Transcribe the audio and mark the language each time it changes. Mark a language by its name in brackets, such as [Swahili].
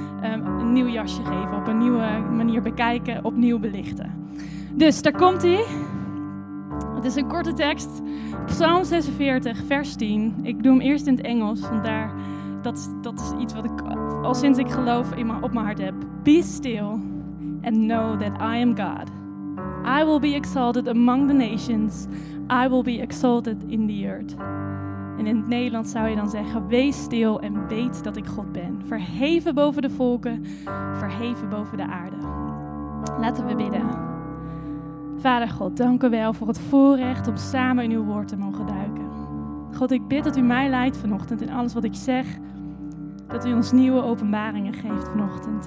[Dutch] Een nieuw jasje geven, op een nieuwe manier bekijken, opnieuw belichten. Dus, daar komt hij. Het is een korte tekst. Psalm 46, vers 10. Ik doe hem eerst in het Engels, want dat is iets wat ik al sinds ik geloof op mijn hart heb. [English] Be still and know that I am God. I will be exalted among the nations. I will be exalted in the earth. [Dutch] En in het Nederlands zou je dan zeggen, wees stil en weet dat ik God ben. Verheven boven de volken, verheven boven de aarde. Laten we bidden. Vader God, dank u wel voor het voorrecht om samen in uw woord te mogen duiken. God, ik bid dat u mij leidt vanochtend in alles wat ik zeg. Dat u ons nieuwe openbaringen geeft vanochtend.